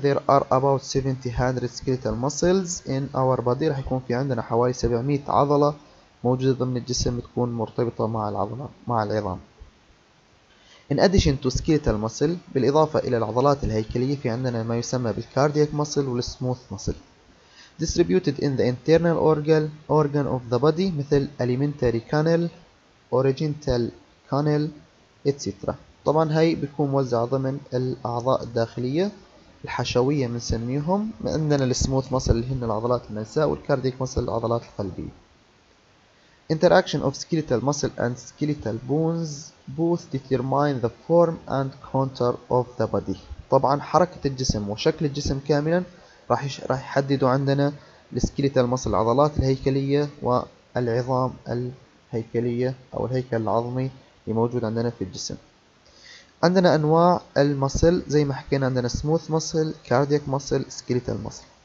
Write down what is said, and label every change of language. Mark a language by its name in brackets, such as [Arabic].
[English] There are about 700 skeletal muscles in our body. [Arabic] راح يكون في عندنا حوالي 700 عضلة موجودة ضمن الجسم تكون مرتبطة مع العضلة مع العظام. [English] In addition to skeletal muscle [Arabic] بالإضافة إلى العضلات الهيكلية، في عندنا ما يسمى بالcardiac muscle والsmooth muscle. [English] Distributed in the internal organ of the body مثل alimentary canal, origental canal, etc. [Arabic] طبعا هاي بيكون موزع ضمن الأعضاء الداخلية الحشوية بنسميهم. عندنا السموث مصل اللي هن العضلات النساء، والكارديك مصل العضلات القلبية. [English] Interaction of skeletal muscle and skeletal bones both determine the form and contour of the body. [Arabic] طبعا حركة الجسم وشكل الجسم كاملا راح يحددوا عندنا السكيليتال مصل، العضلات الهيكلية والعظام الهيكلية أو الهيكل العظمي اللي موجود عندنا في الجسم. عندنا أنواع المصل زي ما حكينا، عندنا سموث مصل، كاردياك مصل، سكيليتال مصل.